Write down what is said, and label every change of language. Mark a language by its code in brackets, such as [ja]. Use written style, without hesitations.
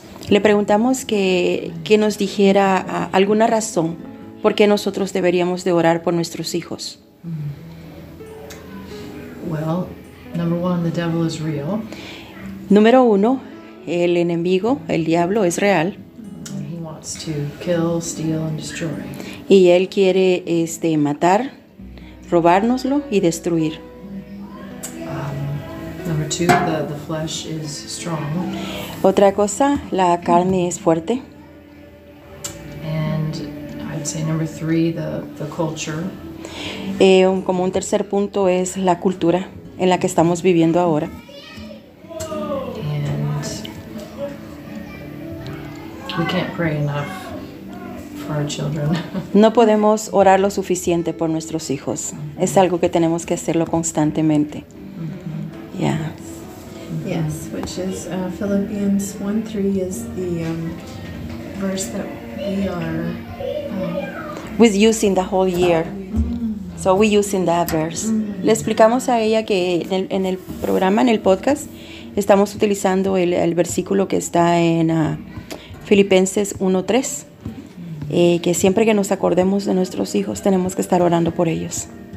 [es] Le preguntamos que nos dijera alguna razón por qué nosotros deberíamos de orar por nuestros hijos. [en] Well, number one, the devil is real. [es] Número uno, el enemigo, el diablo, es real. [en] And he wants to kill, steal, and destroy. [es] Y él quiere matar, robárnoslo y destruir. [en] Number two, the flesh is strong. [es] Otra cosa, la carne es fuerte. [en] And I'd say number three, the culture. [es] Como un tercer punto es la cultura en la que estamos viviendo ahora. [en] And we can't pray enough for our children. [es] No podemos orar lo suficiente por nuestros hijos. Mm-hmm. Es algo que tenemos que hacerlo constantemente. Mm-hmm. Yeah. [en] Yes, which is Philippians 1:3 is the verse that we are with using the whole year. Mm-hmm. So we using that verse. Mm-hmm. [es] Le explicamos a ella que en el programa, en el podcast, estamos utilizando el versículo que está en Filipenses 1:3, mm-hmm. Que siempre que nos acordemos de nuestros hijos, tenemos que estar orando por ellos.